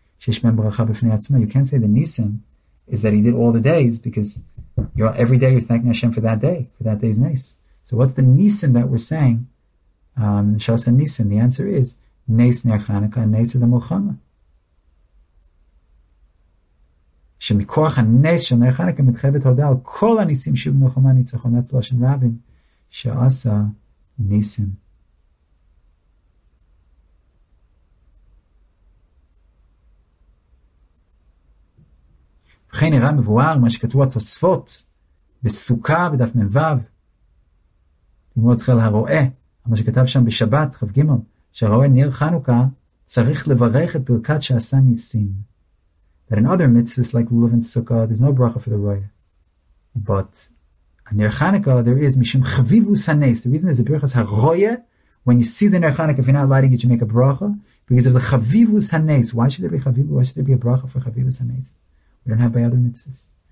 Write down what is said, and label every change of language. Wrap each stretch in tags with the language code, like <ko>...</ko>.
<he>Shishmem b'racha b'fnei atzma.</he> <en>You can't say the Nisim is that he did all the days because every day you're thanking Hashem for that day, for that day's Neis. So what's the Nisim that we're saying? Shasa Nisim. The answer is Neis Ner Chanukah, Neis of the Milchama.</en> <he>שמכוח הנס של נר חנוכה מתחייבת הודעה על כל הניסים שיהיו במלחמה ניצחון אצל השם רבים שעשה ניסים. וכן נראה מבואר מה שכתבו התוספות בסוכה בדף מ"ו לימוד חיל הרועה, מה שכתב שם בשבת כ"ג, שהרועה נר חנוכה צריך לברך את ברכת שעשה ניסים.</he> <en>That in other mitzvahs like lulav and sukkah, there's no bracha for the roya, but on Ner Chanukah there is mishum chavivus hanes. The reason is the bracha is haroya. When you see the Ner Chanukah, if you're not lighting it, you make a bracha because of the chavivus hanes. Why should there be chavivus? Why should there be a bracha for chavivus hanes? We don't have by other mitzvahs.</en>